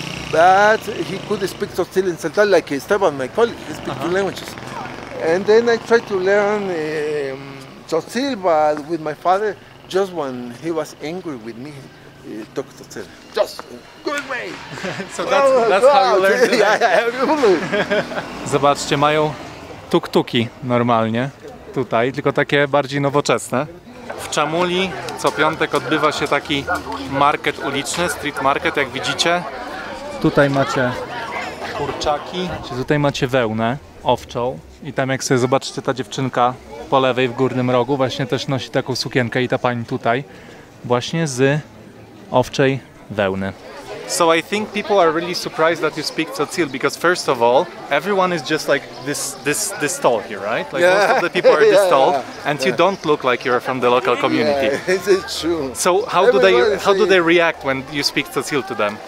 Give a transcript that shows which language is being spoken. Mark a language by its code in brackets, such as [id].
[en] But he could speak Tzotzil in Tzotzil, like Esteban, my colleague. He speaks two languages. And then I tried to learn Tzotzil, but with my father. Just when he was angry with me, he talked to him. Just good way. So that's how you learned it. Yeah. [pl] Zobaczcie, mają tuk-tuki normalnie tutaj, tylko takie bardziej nowoczesne. W Chamuli co piątek odbywa się taki market uliczny, [en] street market, [pl] jak widzicie. Tutaj macie kurczaki, tutaj macie wełnę owczą i tam jak sobie zobaczycie, ta dziewczynka po lewej w górnym rogu właśnie też nosi taką sukienkę i ta pani tutaj właśnie z owczej wełny. [en] So I think people are really surprised that you speak Tzotzil, because first of all, everyone is just like this tall here, right? Like yeah. Most of the people are this tall, and you don't look like you're from the local community. Yeah, it's true. So how do they react when you speak Tzotzil to them?